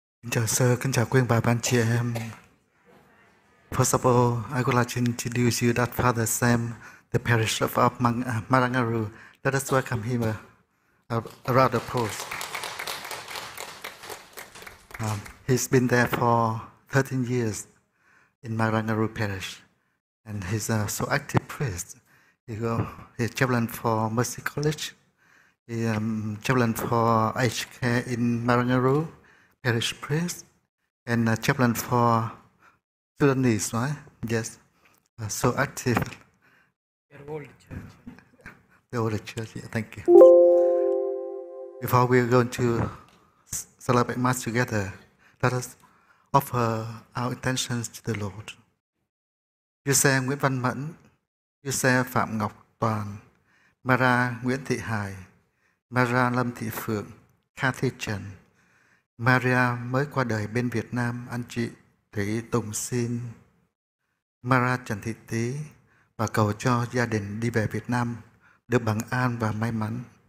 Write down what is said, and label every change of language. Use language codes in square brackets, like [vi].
[vi] Chào sơ, kính chào quý bà ban chị em. [en] First of all, I would like to introduce you that Father Sam, the parish of Marangaroo. Let us welcome him a round of applause. He's been there for 13 years in Marangaroo parish, and he's a so active priest. He's chaplain for Mercy College. He's chaplain for aged care in Marangaroo parish priest, and a chaplain for student needs, right? Yes. So active. Your old church. The old church, yeah, thank you. Before we are going to celebrate Mass together, let us offer our intentions to the Lord. [vi] Chư Sê Nguyễn Văn Mẫn, Chư Sê Phạm Ngọc Toàn, Mara Nguyễn Thị Hải, Mara Lâm Thị Phượng, Cathy Trần, Maria mới qua đời bên Việt Nam, anh chị Thủy Tùng xin Mara Trần Thị Tý và cầu cho gia đình đi về Việt Nam được bằng an và may mắn.